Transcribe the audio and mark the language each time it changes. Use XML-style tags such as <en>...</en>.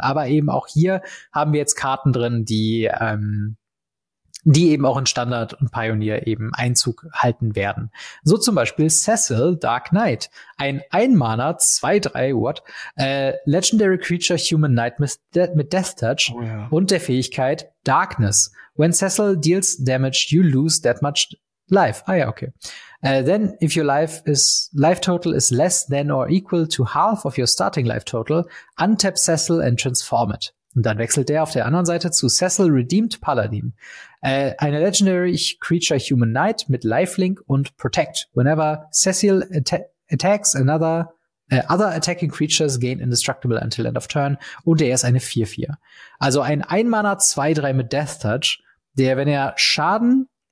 <de>Aber eben auch hier haben wir jetzt Karten drin, die eben auch in Standard und Pioneer eben Einzug halten werden. So zum Beispiel Cecil, Dark Knight. Ein Mana, 2-3, Legendary Creature Human Knight mit Death Touch und der Fähigkeit Darkness.</de> <en>When Cecil deals damage, you lose that much life.</en> <de>Ah ja, okay.</de> <en>Then if your life total is less than or equal to half of your starting life total, untap Cecil and transform it.</en> <de>Und dann wechselt der auf der anderen Seite zu Cecil Redeemed Paladin. Eine Legendary Creature Human Knight mit Lifelink und Protect.</de> <en>Whenever Cecil attacks another, other attacking creatures gain indestructible until end of turn.</en> <de>Und der ist eine 4-4. Also ein Einmana 2-3 mit Death Touch, der, wenn er Schaden</de>